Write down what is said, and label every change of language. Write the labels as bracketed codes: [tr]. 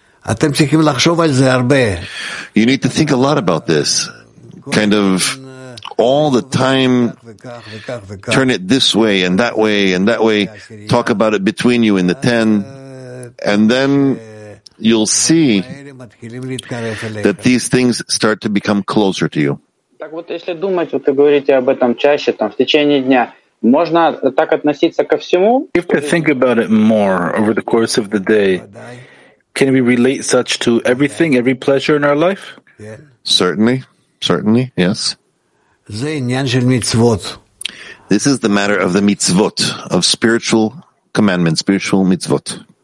[en] You need to think a lot about this, kind of all the time, turn it this way and that way and that way, talk about it between you in the ten, and then you'll see that these things start to become closer to you. [ru] Так вот, если думать, вот вы говорите об этом чаще, там, в течение дня, можно так относиться ко всему? [en] If we think about it more over the course of the day, can we relate such to everything, every pleasure in our life? Certainly, certainly, yes. [he] זה עניין של מצוות. [en] This is the matter of the mitzvot, of spiritual commandments, spiritual mitzvot.